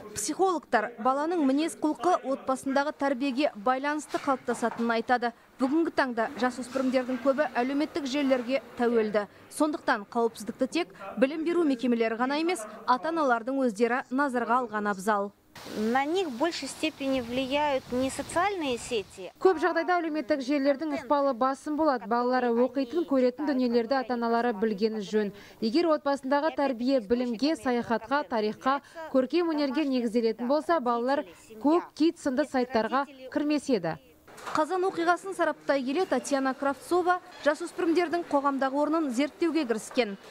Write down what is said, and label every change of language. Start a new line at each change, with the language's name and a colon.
Kazakh: Психологтар баланың мінез құлқы отбасындағы тәрбиеге байланысты қалыптасатынын айтады. Бүгінгі таңда жасөспірімдердің көбі әлеуметтік желілерге тәуелді. Сондықтан қауіпсіздікті тек білім беру мекемелері ғана емес, ата-аналардың өздері назарға алған абзал.
Russian: На них в большей степени влияют не социальные сети.
Kazakh: Көп жағдайда әлеуметтік желілердің ықпалы басым болады. Балалары оқитын, көретін дүниелерді ата-аналары білгені жөн. Егер отбасындағы тәрбие білімге, саяхатқа, тарихқа, көркем өнерге негізделетін болса, балалар көп кит сынды сайттарға кірмес еді. Қазан оқиғасын сараптай келе Татьяна Кравцова жасөспірімдердің қоғамдағы орнын зерттеуге кіріскен.